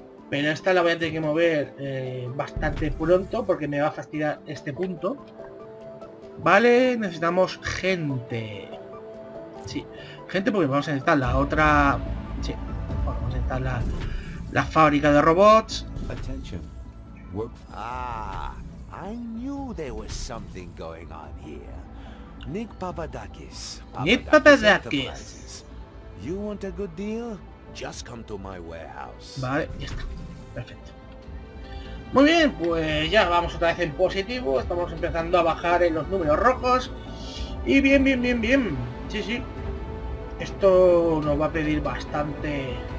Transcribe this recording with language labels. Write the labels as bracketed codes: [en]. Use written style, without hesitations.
[es] Pero esta la voy a tener que mover bastante pronto porque me va a fastidiar este punto. Vale, necesitamos gente. Sí, gente porque vamos a necesitar la otra... Sí, bueno, vamos a necesitar la fábrica de robots. [en] Attention. Ah, I knew there was something going on here. Nick Papadakis. Nick Papadakis. You want a good deal? Just come to my warehouse. [es] Vale, ya está. Perfecto. Muy bien, pues ya vamos otra vez en positivo. Estamos empezando a bajar en los números rojos. Y bien, bien, bien, bien. Sí, sí. Esto nos va a pedir bastante.